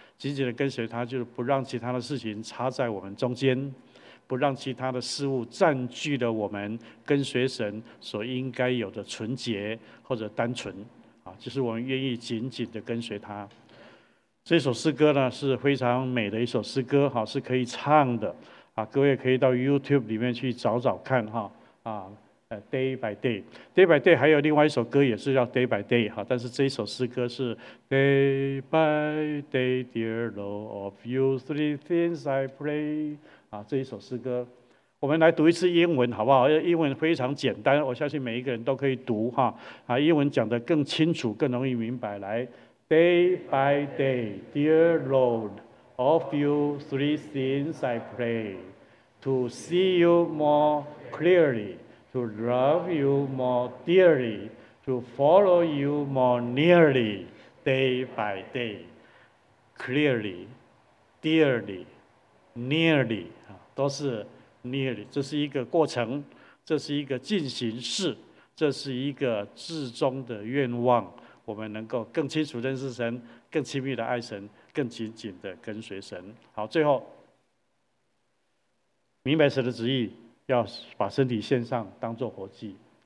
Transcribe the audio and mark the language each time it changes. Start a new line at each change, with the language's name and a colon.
Chinese: 紧紧的跟随他，就是不让其他的事情插在我们中间，不让其他的事物占据了我们跟随神所应该有的纯洁或者单纯，就是我们愿意紧紧的跟随他。这首诗歌呢是非常美的一首诗歌，是可以唱的，各位可以到 YouTube 里面去找找看，Day by Day。
English: Day by Day
Chinese: 还有另外一首歌也是叫
English: Day by Day，
Chinese: 但是这首诗歌是
English: Day by Day, dear Lord of you, three things I pray。
Chinese: 这一首诗歌，我们来读一次英文好不好？英文非常简单，我相信每一个人都可以读哈。英文讲得更清楚，更容易明白。
English: 来 ，Day by day, dear Lord, of you three things I pray: to see you more clearly, to love you more dearly, to follow you more nearly. Day by day, clearly, dearly, nearly。
Chinese: 都是 nearly， 这是一个过程，这是一个进行式，这是一个至终的愿望。我们能够更清楚认识神，更亲密的爱神，更紧紧的跟随神。好，最后明白神的旨意，要把身体献上当作活祭。